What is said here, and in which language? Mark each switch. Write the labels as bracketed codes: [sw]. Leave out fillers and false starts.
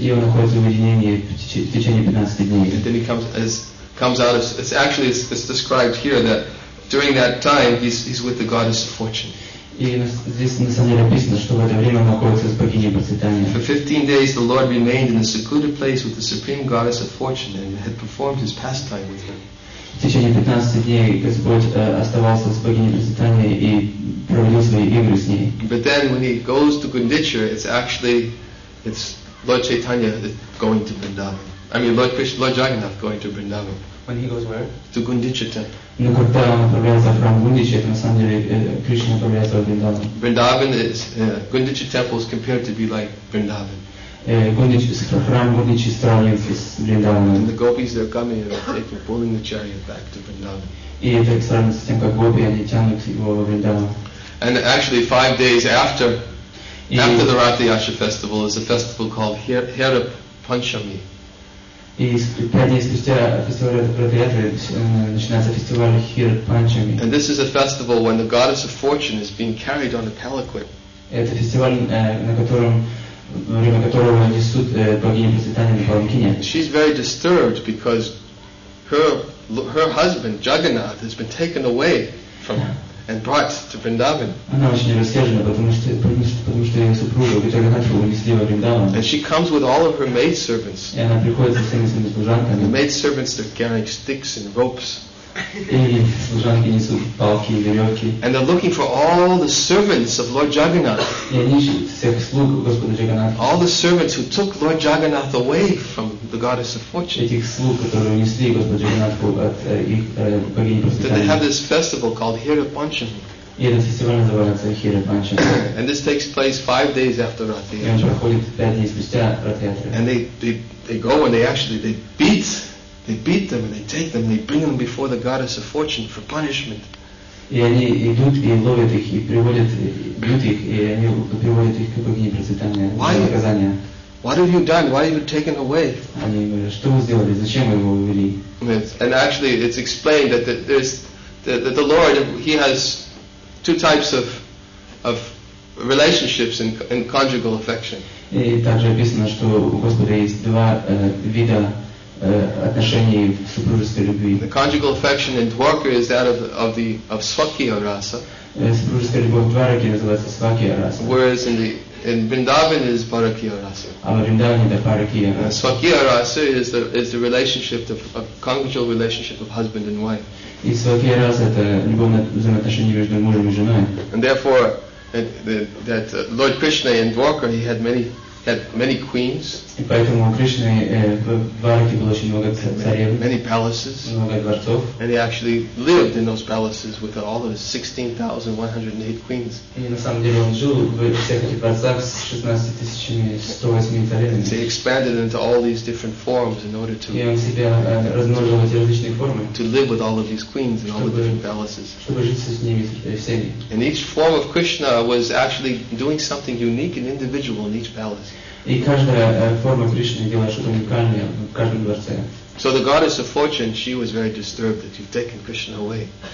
[ru] И он находится в уединении в течение 15 дней. [en] And then he comes out. It's described here that during that time he's with the goddess of fortune. [ru] И здесь на самом деле написано, что в это время находится с богиней процветания. [en] For 15 days the Lord remained in a secluded place with the supreme goddess of fortune and had performed his pastime with her. [ru] В течение 15 дней Господь оставался с богиней процветания и проводил свои игры с ней. [en] But then when he goes to Gundichara, it's Lord Chaitanya going to Vrindavan. I mean Lord Jagannath going to Vrindavan. When he goes where? To Gundichara. [ru] Но когда он отправляется в храм Гундичи, это на самом деле Кришна отправляется в Вриндаван. [en] Vrindavan is Gundichi temple is compared to be like Vrindavan. [ru] Храм Гундичи сравнивается с Вриндаваном. [en] And the gopis are coming and they're pulling the chariot back to Vrindavan. [ru] И это сравнивается с тем, как гопи, они тянут его во Вриндаван. [en] And actually 5 days after the Ratha Yatra festival is a festival called Hera Panchami. [ru] И 5 дней спустя фестиваль Ратха Ятры начинается фестиваль Хира Панчами. [en] And this is a festival when the goddess of fortune is being carried on a palanquin. [ru] Это фестиваль, на котором во время которого несут богиню процветания на паланкине. [en] She's very disturbed because her husband Jagannath has been taken away from and brought to Vrindavan. [ru] Она очень рассержена, потому что ее супруга Джаганнатху унесли во Вриндаван. [en] And she comes with all of her maid servants. [ru] И она приходит со всеми своими служанками. [en] The maid servants are carrying sticks and ropes. [ru] И служанки несут палки и веревки. [en] And they're looking for all the servants of Lord Jagannath. [ru] И они ищут всех слуг Господа Джаганнатха. [en] All the servants who took Lord Jagannath away from the goddess of fortune. [ru] Этих слуг, которые унесли Господа Джаганнатху от их богини процветания. [en] They have this festival called Hira Pancham. [ru] И этот фестиваль называется Hira Pancham. [en] And this takes place 5 days after Ratha Yatra. [ru] И он проходит 5 дней спустя Ратха Ятры. [en] And they go and they beat them and they take them and they bring them before the goddess of fortune for punishment. [ru] И они идут и ловят их и приводят бьют их и они приводят их к богине процветания для наказания. [en] What have you done? Why have you taken away? [ru] Они говорят, что вы сделали? Зачем вы его увели? [en] And actually, it's explained that the Lord he has two types of relationships and conjugal affection. [ru] И также описано, что у Господа есть два вида отношений в супружеской любви. [en] The conjugal affection in Dwarka is that of Svakya Rasa. [ru] Супружеская любовь в Дварке называется Свакья Раса. [en] Whereas in Vrindavan is Паракья Раса. [ru] А в Вриндаване это Паракья Раса. [en] Свакья Раса is the relationship of conjugal relationship of husband and wife. [ru] И Свакья Раса это любовное взаимоотношение между мужем и женой. [en] And therefore that Lord Krishna in Dwarka he had many queens. [ru] И поэтому Кришне в Двараке было очень много царевен. [en] Many palaces. [ru] Много дворцов. [en] And he actually lived in those palaces with all of his 16,108 queens. [ru] И на самом деле он жил в всех этих дворцах с 16,108 царевнами. [en] He expanded into all these different forms in order to. [ru] И он себя размножил эти различные формы. [en] To live with all of these queens in all the different palaces. [ru] Чтобы жить с ними всеми. [en] And each form of Krishna was actually doing something unique and individual in each palace. [ru] И каждая форма Кришны делает что-то уникальное в каждом дворце. [en] So the goddess of fortune, she was very disturbed that you've taken Krishna away.